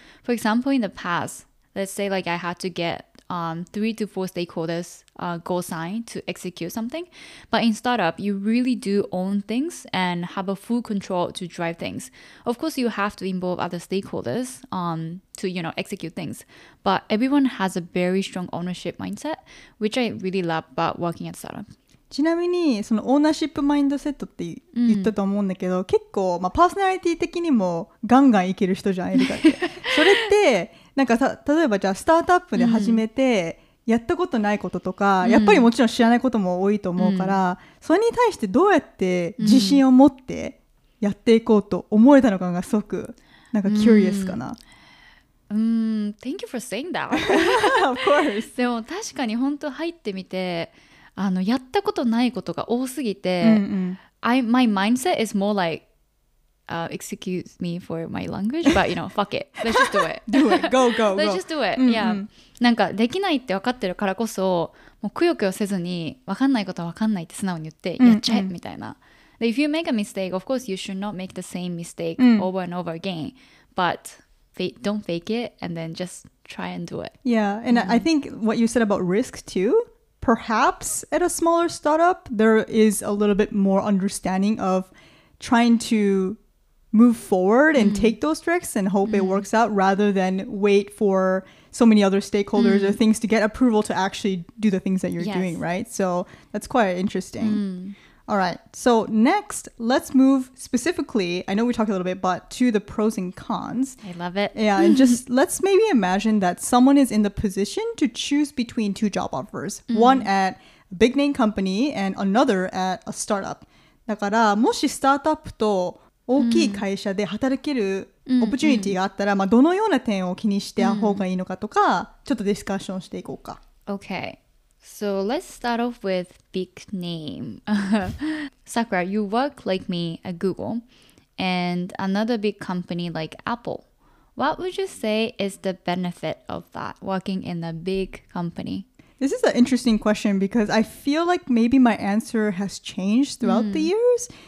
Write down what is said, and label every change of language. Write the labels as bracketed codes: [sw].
[en] For example, in the past, let's say like I had to get three to four stakeholders go sign to execute something. But in startup, you really do own things and have a full control to drive things. Of course, you have to involve other stakeholders to, you know, execute things. But everyone has a very strong ownership mindset, which I really love about working at startup. [ja] ちなみにそのオーナーシップマインドセットって言ったと思うんだけど、うん、結構、まあ、パーソナリティ的にもガンガンいける人じゃん、エリカって。それってなんか例えばじゃあスタートアップで始めてやったことないこととか、うん、やっぱりもちろん知らないことも多いと思うから、うん、それに対してどうやって自信を持ってやっていこうと思えたのかがすごくなんかキュリアスかな。 [en] うんThank you for saying that. Of course. [ja] でも確かに本当入ってみてやったことないことが多すぎて、うんうん、 [en] my mindset is more like, excuse me for my language, but you know, fuck it. Let's just do it. Do it. Go, go, go. Let's just do it. Yeah. [ja] なんかできないって分かってるからこそ、もうくよくよせずに、分かんないことは分かんないって素直に言って、やっちゃえ、うんうん、みたいな。 [en] If you make a mistake, of course you should not make the same mistake、うん、over and over again, but don't fake it and then just try and do it. Yeah, and、うん、I think what you said about risk too,Perhaps at a smaller startup, there is a little bit more understanding of trying to move forward and take those risks and hope it works out rather than wait for so many other stakeholders or things to get approval to actually do the things that you're doing, right? So that's quite interesting. All right. So next, let's move specifically, I know we talked a little bit, but to the pros and cons. I love it. Yeah. And just let's maybe imagine that someone is in the position to choose between two job offers, one at a big name company and another at a startup. [ja] だからもしスタートアップと大きい会社で働けるオプチュニティがあったら、まあどのような点を気にしてあほうがいいのかとか、ちょっとディスカッションしていこうか。 [en] Okay. So let's start off with big name. Sakura, you work like me at Google and another big company like Apple. What would you say is the benefit of that, working in a big company? This is an interesting question because I feel like maybe my answer has changed throughout the years.